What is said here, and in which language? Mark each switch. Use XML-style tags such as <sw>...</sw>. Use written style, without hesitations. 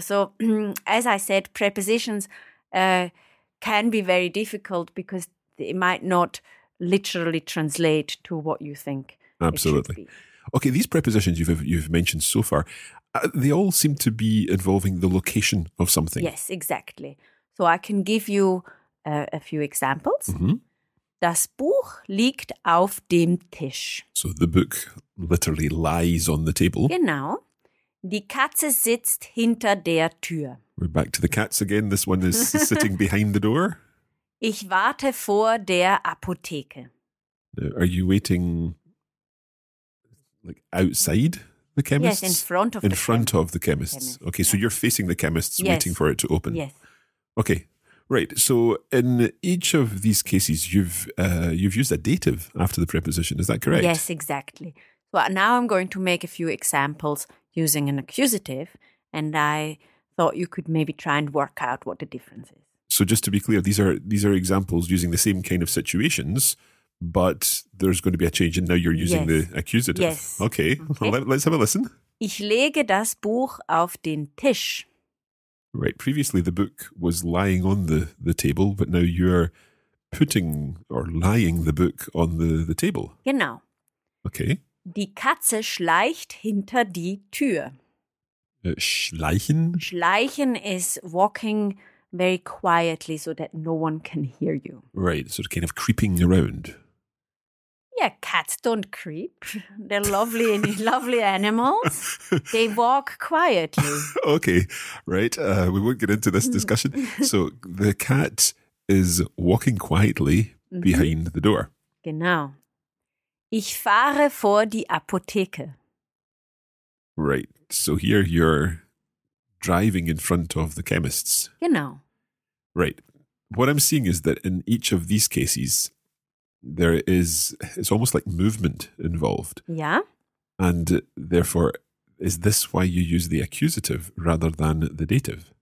<en>So, as I said, prepositions can be very difficult because it might not literally translate to what you think. Absolutely. Okay, these prepositions you've mentioned so far, they all seem to be involving the location of something. Yes, exactly. So I can give you a few examples.</en> <de>Das Buch liegt auf dem Tisch.</de> <en>So the book literally lies on the table.</en> <de>Genau. Die Katze sitzt hinter der Tür.</de> <en>We're back to the cats again. This one is sitting behind the door.</en> <de>Ich warte vor der Apotheke.</de> <en>Are you waiting like outside the chemist? Yes, in front of the chemists. Okay, yeah. So you're facing the chemists, yes. Waiting for it to open. Yes. Okay, right. So in each of these cases, you've used a dative after the preposition. Is that correct? Yes, exactly. Well, now I'm going to make a few examples using an accusative, and I thought you could maybe try and work out what the difference is. So just to be clear, these are examples using the same kind of situations, but there's going to be a change and now you're using the accusative. Yes. Okay, well, let's have a listen.</en> <de>Ich lege das Buch auf den Tisch.</de> <en>Right, previously the book was lying on the table, but now you're putting or lying the book on the table.</en> <de>Genau.</de> <en>Okay.</en> <de>Die Katze schleicht hinter die Tür. Schleichen?</de> <en>Schleichen is walking very quietly so that no one can hear you. Right, sort of kind of creeping around. Yeah, cats don't creep. They're lovely and lovely animals. They walk quietly. Okay, right. We won't get into this discussion. So the cat is walking quietly behind the door.</en> <de>Genau. Ich fahre vor die Apotheke.</de> <en>Right, so here you're driving in front of the chemists.</en> <de>Genau.</de> <en>Right. What I'm seeing is that in each of these cases, it's almost like movement involved. Yeah. And therefore, is this why you use the accusative rather than the dative?</en>